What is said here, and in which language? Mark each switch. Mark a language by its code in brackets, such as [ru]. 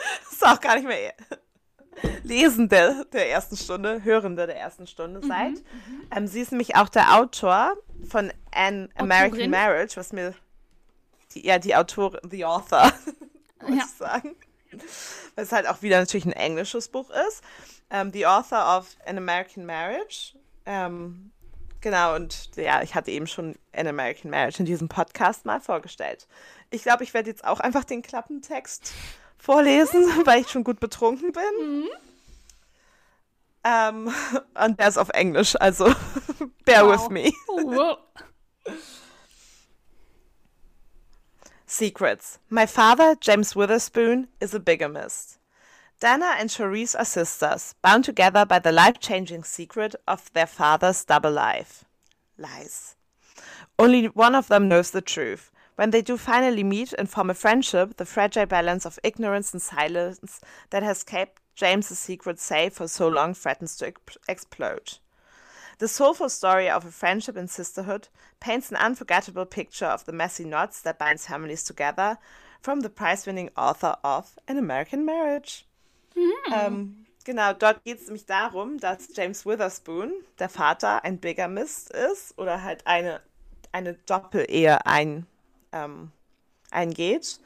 [de] Ist auch gar nicht mehr Lesende der ersten Stunde, Hörende der ersten Stunde seid. Mhm. Sie ist nämlich auch der Autor von An American Marriage, was mir die Autorin, muss ich sagen. Weil es halt auch wieder natürlich ein englisches Buch ist. [en] The Author of An American Marriage. [de] Genau, und ja, ich hatte eben schon An American Marriage in diesem Podcast mal vorgestellt. Ich glaube, ich werde jetzt auch einfach den Klappentext vorlesen, weil ich schon gut betrunken bin. Mhm. Und der ist auf Englisch, also [en] bear with me. Secrets. My father, James Witherspoon, is a bigamist. Dana and Charisse are sisters, bound together by the life-changing secret of their father's double life. Lies. Only one of them knows the truth. When they do finally meet and form a friendship, the fragile balance of ignorance and silence that has kept James's secret safe for so long threatens to explode. The soulful story of a friendship and sisterhood paints an unforgettable picture of the messy knots that binds families together from the prize-winning author of An American Marriage. Mm-hmm. [de] Genau, dort geht es nämlich darum, dass James Witherspoon, der Vater, ein Bigamist ist oder halt eine Doppel-Ehe eingeht.